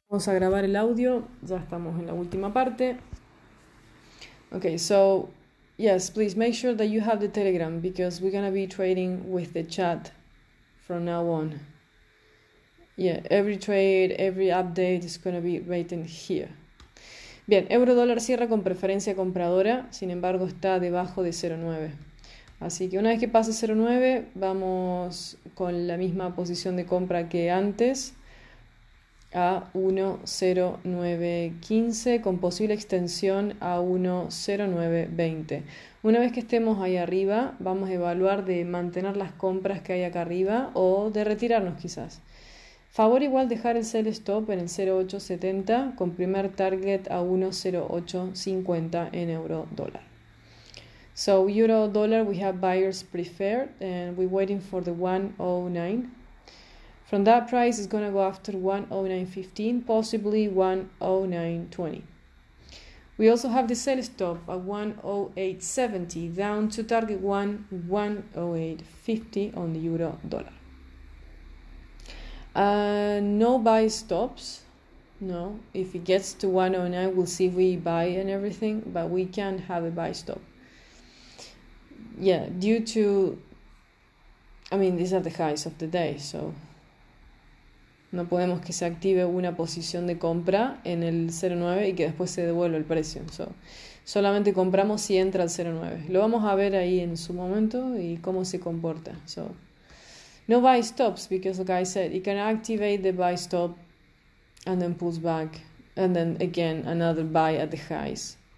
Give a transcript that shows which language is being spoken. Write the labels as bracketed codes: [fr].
[es] Vamos a grabar el audio, ya estamos en la última parte. [en] Okay, so yes, please make sure that you have the Telegram because we're gonna be trading with the chat from now on. Yeah, every trade, every update is gonna be written here. [es] Bien, euro dólar cierra con preferencia compradora, sin embargo está debajo de 0.9. Así que una vez que pase 0.9, vamos con la misma posición de compra que antes. A 1.0915 con posible extensión a 1.0920. Una vez que estemos ahí arriba, vamos a evaluar de mantener las compras que hay acá arriba o de retirarnos quizás. Favor igual dejar el sell stop en el 0.870 con primer target a 1.0850 en euro dólar. [en] So euro dólar we have buyers preferred and we're waiting for the 1.09. From that price, it's going to go after 109.15, possibly 109.20. We also have the sell stop at 108.70, down to target 108.50 on the euro dollar. No buy stops. No. If it gets to 109, we'll see if we buy and everything, but we can't have a buy stop. Yeah, due to. I mean, these are the highs of the day, so. [es] No podemos que se active una posición de compra en el 0.9 y que después se devuelva el precio. So, solamente compramos si entra al 0.9. Lo vamos a ver ahí en su momento y cómo se comporta. [en] So, no buy stops, because like I said, you can activate the buy stop and then pulls back and then again another buy at the highs.